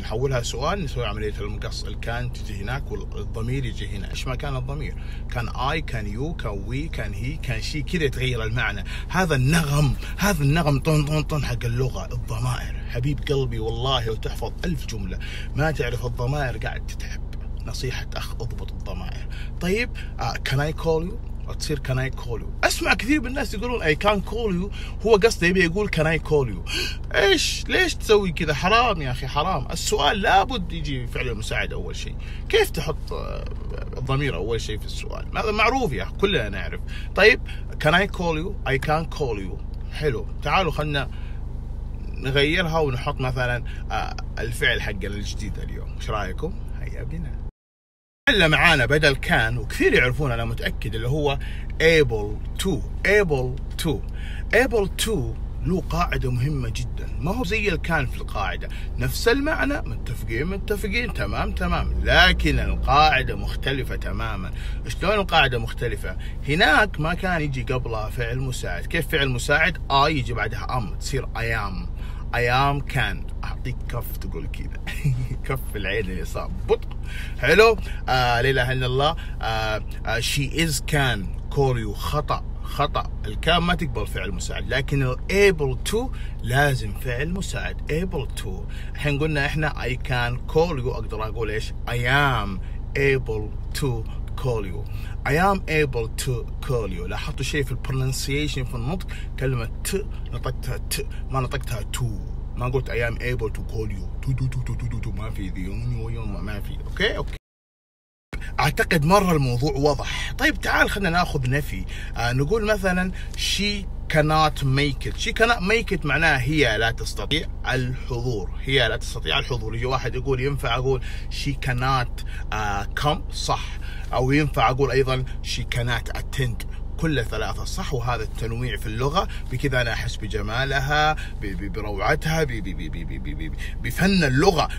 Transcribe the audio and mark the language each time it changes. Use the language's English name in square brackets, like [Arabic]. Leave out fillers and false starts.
[Arabic] نحولها سؤال، نسوي عملية المقص، الكان تجي هناك والضمير يجي هنا. إيش ما كان الضمير، كان I، كان you، كان we، كان he، كان she، كده يتغير المعنى. هذا النغم، هذا النغم طن طن طن حق اللغة، الضمائر. حبيب قلبي والله لو تحفظ ألف جملة ما تعرف الضمائر قاعد تتعب. نصيحة أخ، أضبط الضمائر. [English] طيب can I call you، تصير can I call you. [Arabic] أسمع كثير من الناس يقولون [English] I can call you، [Arabic] هو قصده يبي يقول [English] can I call you. [Arabic] إيش ليش تسوي كذا؟ حرام يا أخي حرام. السؤال لابد يجي فعل المساعد أول شيء. كيف تحط الضمير أول شيء في السؤال؟ هذا معروف يا أخي، كلنا نعرف. [English] طيب can I call you، I can call you، حلو. [Arabic] تعالوا خلنا نغيرها ونحط مثلا الفعل حقنا الجديد اليوم، إيش رأيكم؟ هيا بنا. اللي معانا بدل كان وكثير يعرفون أنا متأكد اللي هو able to. able to، able to له قاعدة مهمة جدا، ما هو زي الكان في القاعدة، نفس المعنى، متفقين متفقين تمام تمام، لكن القاعدة مختلفة تماما. شلون القاعدة مختلفة؟ هناك ما كان يجي قبلها فعل مساعد، كيف فعل مساعد؟ I يجي بعدها أم، تصير I am، [English] I am can. [Arabic] أعطيك كف تقول كذا كف العين اليسار بطء، حلو. لا إله إلا الله. [English] she is can call you، [Arabic] خطأ خطأ. الكان ما تقبل فعل مساعد، لكن able to لازم فعل مساعد. [English] able to، [Arabic] الحين قلنا إحنا [English] I can call you، [Arabic] أقدر أقول إيش؟ [English] I am able to call you، I am able to call you. [Arabic] لاحظتوا شيء في البرونسيشن في النطق؟ كلمة ت نطقتها ت، ما نطقتها تو، ما قلت [English] I am able to call you، [Arabic] تو تو تو تو تو تو تو، ما في ذي يوم ما في. أوكي أوكي، أعتقد مرة الموضوع واضح. طيب تعال خلنا نأخذ نفي. [English] نقول مثلا she cannot make it. she cannot make it [Arabic] معناها هي لا تستطيع الحضور، هي لا تستطيع الحضور. يجي واحد يقول ينفع أقول [English] she cannot come، [Arabic] صح. أو ينفع أقول أيضا [English] she cannot attend، [Arabic] كل ثلاثة صح، وهذا التنويع في اللغة بكذا أنا أحس بجمالها بروعتها بفن اللغة.